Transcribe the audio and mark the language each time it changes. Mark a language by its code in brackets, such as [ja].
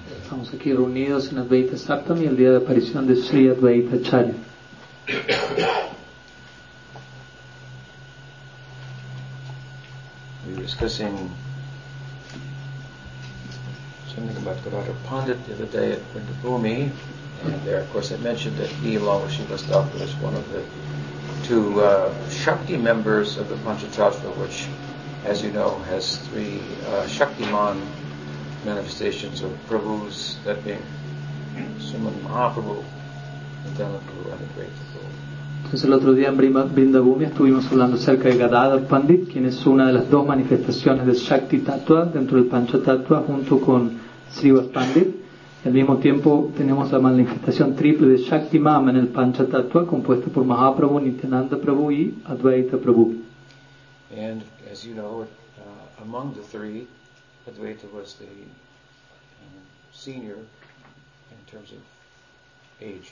[es] Estamos aquí reunidos en Advaita Saptami, el día de aparición de Sri Advaita Charja. [en] Discussing something about Gadadhar Pandit the other day at Vrindabhumi, and there, of course, I mentioned that he, along with Shiva Stapa, was one of the two Shakti members of the Panchatattva, which, as you know, has three Shaktiman manifestations of Prabhus, that being Suman Mahaprabhu, Nityananda Prabhu, and the great Prabhu. [es] Entonces el otro día en Vrindabhumi estuvimos hablando acerca de Gadadhar Pandit, quien es una de las dos manifestaciones de Shakti Tattva dentro del Pancha Tattva junto con Srivast Pandit. Y al mismo tiempo tenemos la manifestación triple de Shakti Mama en el Pancha Tattva, compuesto por Mahaprabhu, Nityananda Prabhu y Advaita Prabhu. [en] And as you know, among the three, Advaita was the senior in terms of age.